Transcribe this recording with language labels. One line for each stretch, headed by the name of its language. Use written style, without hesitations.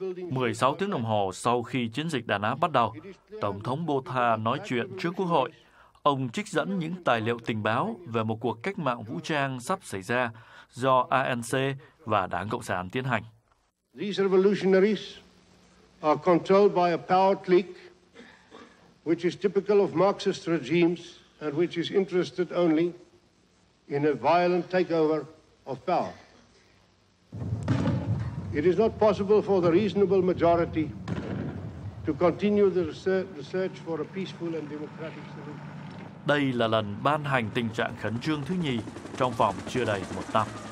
Vietnamese: Mười sáu tiếng đồng hồ sau khi chiến dịch đàn áp bắt đầu, Tổng thống Botha nói chuyện trước quốc hội. Ông trích dẫn những tài liệu tình báo về một cuộc cách mạng vũ trang sắp xảy ra do ANC và Đảng Cộng sản tiến hành.
English: These revolutionaries are controlled by a power clique, which is typical of Marxist regimes and which is interested only in a violent takeover of power. It is not possible for the reasonable majority to continue the search for a peaceful and democratic solution.
Vietnamese: Đây là lần ban hành tình trạng khẩn trương thứ nhì trong vòng chưa đầy một năm.